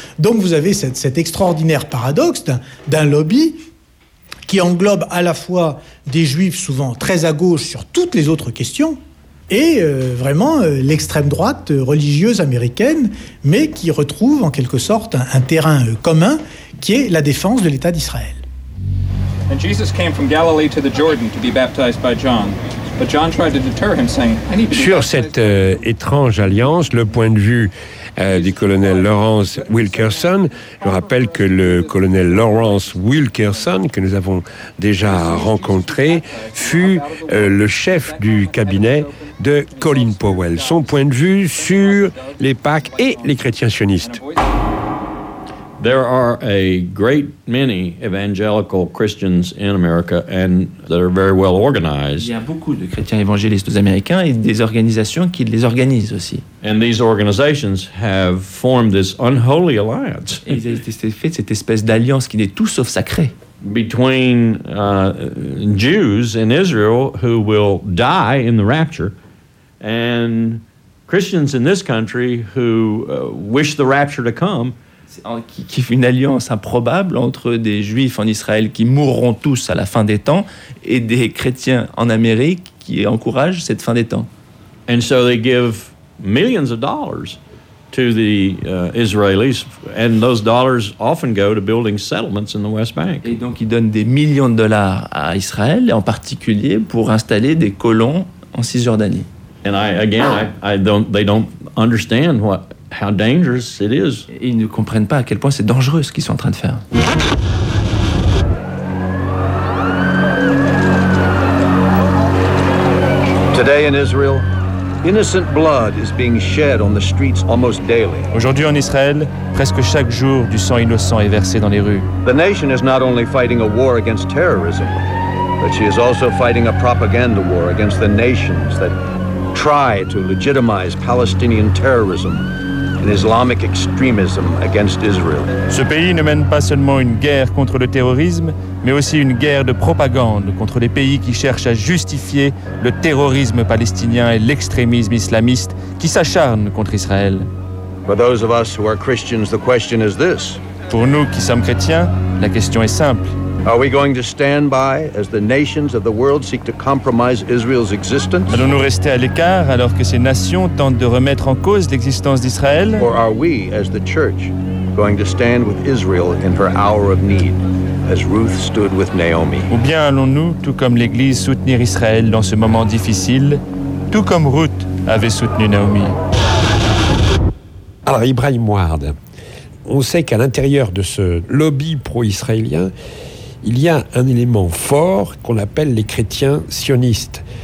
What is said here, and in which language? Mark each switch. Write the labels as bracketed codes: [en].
[fr] Donc vous avez cet extraordinaire paradoxe d'un lobby qui englobe à la fois des Juifs souvent très à gauche sur toutes les autres questions, et vraiment l'extrême droite religieuse américaine, mais qui retrouve en quelque sorte un terrain commun qui est la défense de l'État d'Israël. [en] And Jesus came from Galilee to the Jordan to be baptized by John. But John tried to deter him saying, I need to [fr] Sur cette étrange alliance, le point de vue du colonel Lawrence Wilkerson. Je rappelle que le colonel Lawrence Wilkerson, que nous avons déjà rencontré, fut le chef du cabinet de Colin Powell. Son point de vue sur les Pâques et les chrétiens sionistes. [en] There are a great many evangelical Christians in America and that are very well organized. [fr] Il y a beaucoup de chrétiens évangélistes américains et des organisations qui les organisent aussi. [en] And these organizations have formed this unholy alliance. [fr] Ils ont fait cette espèce d'alliance qui n'est tout sauf sacrée. [en] Between Jews in Israel who will die in the rapture and Christians in this country who wish the rapture to come. [fr] Qui fait une alliance improbable entre des juifs en Israël qui mourront tous à la fin des temps et des chrétiens en Amérique qui encouragent cette fin des temps. [en] And so they give millions of dollars to the Israelis, and those dollars often go to building settlements in the West Bank. [fr] Et donc ils donnent des millions de dollars à Israël, en particulier pour installer des colons en Cisjordanie. [en] And they don't understand what. How dangerous it is. [fr] Ils ne comprennent pas à quel point c'est dangereux ce qu'ils sont en train de faire. [en] Today in Israel, innocent blood is being shed on the streets almost daily. [fr] Aujourd'hui en Israël, presque chaque jour, du sang innocent est versé dans les rues. [en] The nation is not only fighting a war against terrorism, but she is also fighting a propaganda war against the nations that try to legitimize Palestinian terrorism. Islamic extremism against Israel. [fr] Ce pays ne mène pas seulement une guerre contre le terrorisme, mais aussi une guerre de propagande contre les pays qui cherchent à justifier le terrorisme palestinien et l'extrémisme islamiste qui s'acharne contre Israël. [en] For those of us who are Christians, the question is this. [fr] Pour nous qui sommes chrétiens, la question est simple. [en] Are we going to stand by as the nations of the world seek to compromise Israel's existence? [fr] Allons-nous rester à l'écart alors que ces nations tentent de remettre en cause l'existence d'Israël? [en] Or are we, as the church, going to stand with Israel in her hour of need, as Ruth stood with Naomi? [fr] Ou bien allons-nous, tout comme l'Église, soutenir Israël dans ce moment difficile, tout comme Ruth avait soutenu Naomi? Alors, Ibrahim Ward, on sait qu'à l'intérieur de ce lobby pro-israélien, il y a un élément fort qu'on appelle les chrétiens sionistes.